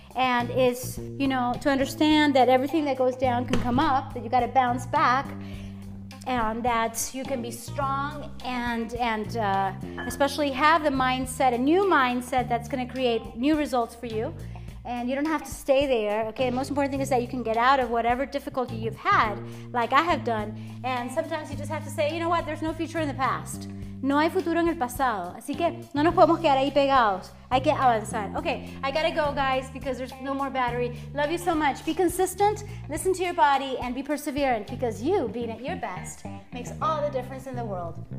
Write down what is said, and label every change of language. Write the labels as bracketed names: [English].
[English] And is, you know, to understand that everything that goes down can come up, that you gotta bounce back, and that you can be strong and especially have the mindset, a new mindset that's gonna create new results for you. and you don't have to stay there, okay? The most important thing is that you can get out of whatever difficulty you've had, like I have done, and sometimes you just have to say, you know what, there's no future in the past. [Spanish] No hay futuro en el pasado, así que no nos podemos quedar ahí pegados. Hay que avanzar. [English] Okay, I gotta go, guys, because there's no more battery. Love you so much. Be consistent, listen to your body, and be perseverant, because you being at your best makes all the difference in the world.